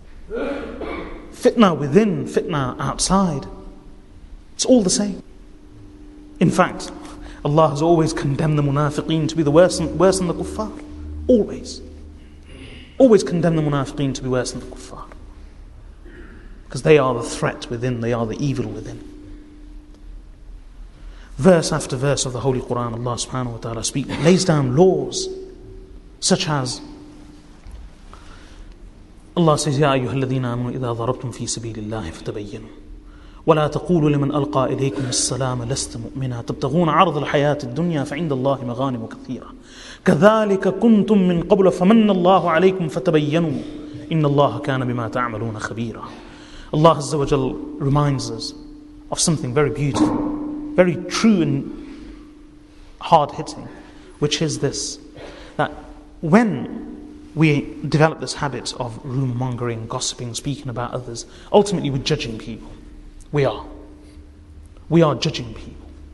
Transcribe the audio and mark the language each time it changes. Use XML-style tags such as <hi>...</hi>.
<en>Fitna within, fitna outside. It's all the same. In fact, Allah has always condemned the munafiqeen to be the worse than the kuffar. Always. Always condemn the munafiqeen to be worse than the kuffar. Because they are the threat within, they are the evil within. Verse after verse of the Holy Quran, Allah subhanahu wa ta'ala lays down laws such as Allah says,</en> <ar>يَا أَيُّهَا الَّذِينَ آمَنُوا إِذَا ضَرَبْتُمْ فِي سَبِيلِ اللَّهِ فَتَبَيِّنُوا وَلَا تَقُولُوا لِمَنْ أَلْقَى إِلَيْكُمْ السَّلَامَ لَسْتَ مُؤْمِنًا تَبْتَغُونَ عَرْضَ الْحَيَاةِ الدُّنْيَا فَعِنْدَ اللَّهِ مَغَانِمُ كَثِيرَةً كَذَلِكَ كُنْتُمْ مِنْ قَبْلُ فَمَنَّ اللَّهُ عَلَيْكُمْ فَتَبَيَّنُوا إِنَّ اللَّهَ كَانَ بِمَا تَعْمَلُونَ خَبِيرًا.</ar> <en>Allah Azza wa Jal reminds us of something very beautiful, very true and hard-hitting, which is this, that when we develop this habit of rumour-mongering, gossiping, speaking about others, ultimately we're judging people. We are. We are judging people.</en>